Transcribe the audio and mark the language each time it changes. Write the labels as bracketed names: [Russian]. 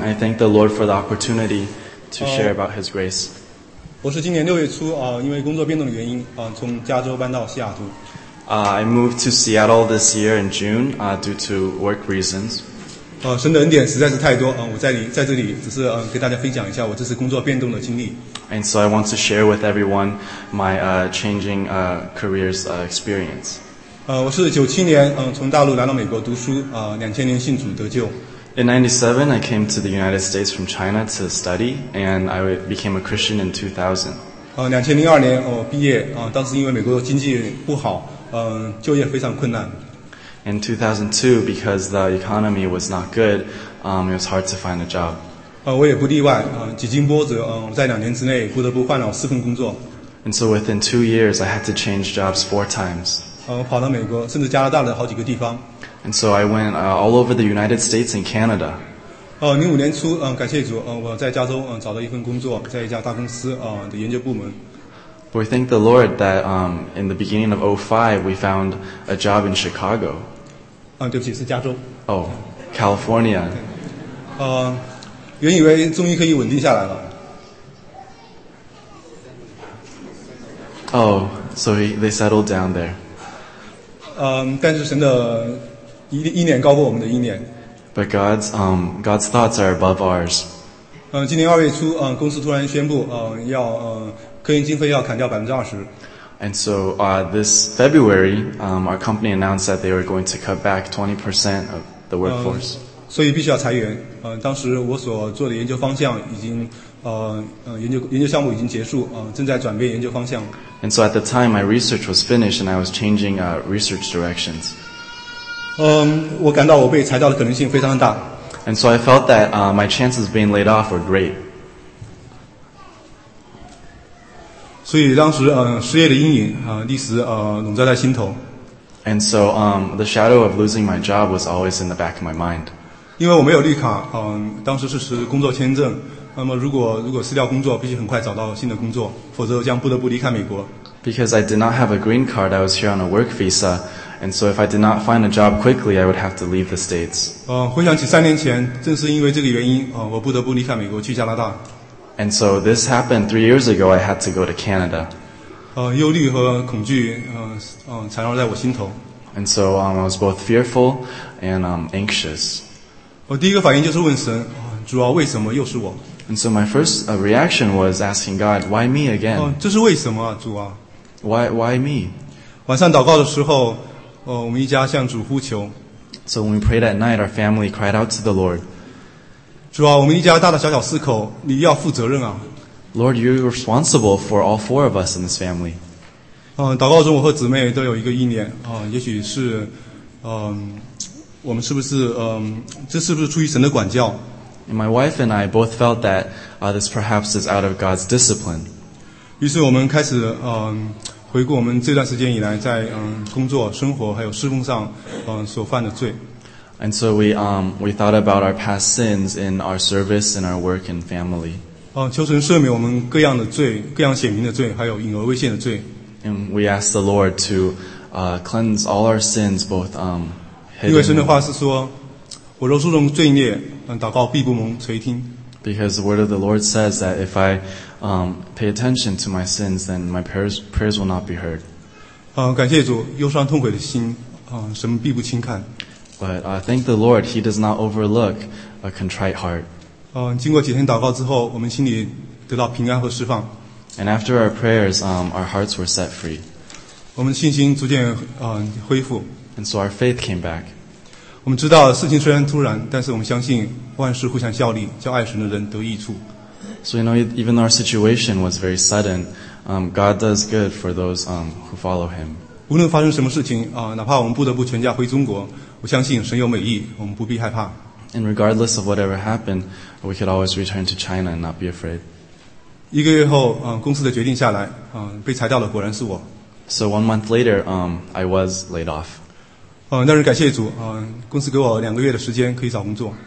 [English] I thank the Lord for the opportunity to share about His grace. [Chinese] 我是今年六月初因为工作变动的原因从加州搬到西雅图。 [English] I moved to Seattle this year in June due to work reasons. [Chinese] 神的恩典实在是太多我在这里只是给大家分享一下我这次工作变动的经历。 [English] And so I want to share with everyone my changing careers experience. [Chinese] 我是97年从大陆来到美国读书2000年信主得救。 [English] In 97, I came to the United States from China to study, and I became a Christian in 2000. [Chinese] 2002年毕业当时因为美国经济不好就业非常困难。 [English] In 2002, because the economy was not good, it was hard to find a job. [Chinese] 我也不例外几经波折在两年之内不得不换了四份工作。 [English] And so within 2 years, I had to change jobs 4 times. [Chinese] 跑到美国甚至加拿大的好几个地方。 [English] And so I went all over the United States and Canada. [Chinese] 05年初感谢主我在加州找到一份工作在一家大公司的研究部门。 [English] But we thank the Lord that in the beginning of 05, we found a job in Chicago. [Chinese] 对不起是加州。 [English] Oh, California. [Chinese] 原以为终于可以稳定下来了。 [English] Oh, so they settled down there. [Chinese] 但是神的意念高过我们的意念。 [English] But God's thoughts are above ours. [Chinese] 今年二月初公司突然宣布要科研经费要砍掉20%。 [English] And so this February, our company announced that they were going to cut back 20% of the workforce. [Chinese] 所以必须要裁员。当时我所做的研究方向已经研究项目已经结束正在转变研究方向。 [English] And so at the time, my research was finished, and I was changing research directions. [Chinese] 我感到我被裁掉的可能性非常大。 [English] And so I felt that my chances of being laid off were great. [Chinese] 所以当时失业的阴影历史笼罩在心头。 [English] And so the shadow of losing my job was always in the back of my mind. [Chinese] 因为我没有绿卡当时是持工作签证那么如果失掉工作必须很快找到新的工作否则将不得不离开美国。 [English] Because I did not have a green card, I was here on a work visa, and so if I did not find a job quickly, I would have to leave the States. [Chinese] 回想起三年前，正是因为这个原因，我不得不离开美国去加拿大。 [English] And so this happened 3 years ago, I had to go to Canada. [Chinese] 忧虑和恐惧，缠绕在我心头。 [English] And so I was both fearful and anxious. [Chinese] 我第一个反应就是问神，主啊，为什么又是我？ [English] And so my first reaction was asking God, why me again? [Chinese] 这是为什么啊，主啊？ [English] Why me? [Chinese] 晚上祷告的时候，我们一家向主呼求。 [English] So when we prayed at night, our family cried out to the Lord. [Chinese] 主啊，我们一家大大小小四口，你要负责任啊。 [English] Lord, you're responsible for all 4 of us in this family. [Chinese] 祷告中我和姊妹都有一个意念，也许是，我们是不是，这是不是出于神的管教？ [English] And my wife and I both felt that this perhaps is out of God's discipline. [Chinese] 于是我们开始回顾我们这段时间以来在工作、生活还有侍奉上所犯的罪。 [English] And so we thought about our past sins in our service, in our work and family. [Chinese] 求神赦免我们各样的罪、各样显明的罪还有隐而未现的罪。 [English] And we asked the Lord to cleanse all our sins, both hidden. [Chinese] 因为神的话是说我若诉中罪孽祷告必不蒙垂听。 [English] Because the word of the Lord says that if I pay attention to my sins, then my prayers will not be heard. [Chinese] 感谢主，忧伤痛悔的心，神必不轻看。 [English] But thank the Lord, He does not overlook a contrite heart. [Chinese] 经过几天祷告之后，我们心里得到平安和释放。 [English] And after our prayers, our hearts were set free. [Chinese] 我们信心逐渐恢复。 [English] And so our faith came back. [Chinese] 我们知道事情虽然突然，但是我们相信万事互相效力，叫爱神的人得益处。 [English] So you know, even our situation was very sudden. God does good for those who follow Him. [Chinese] 无论发生什么事情哪怕我们不得不全家回中国，我相信神有美意，我们不必害怕。 [English] And regardless of whatever happened, we could always return to China and not be afraid. [Chinese] 一个月后，公司的决定下来，被裁掉的果然是我。 [English] So 1 month later, I was laid off. [Chinese] 但是感谢主，公司给我两个月的时间可以找工作。